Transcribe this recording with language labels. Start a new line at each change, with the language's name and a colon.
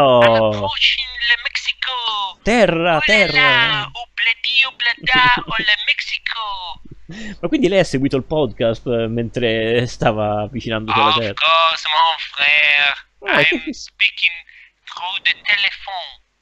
English: Oh. I'm approaching le Mexico.
Italian: Terra, olala, terra. Obladi, Oblada, olé Mexico. Ma quindi lei ha seguito il podcast mentre stava avvicinandosi alla terra?
English: Of course,
French: mon frère.
English: I'm speaking through the telephone.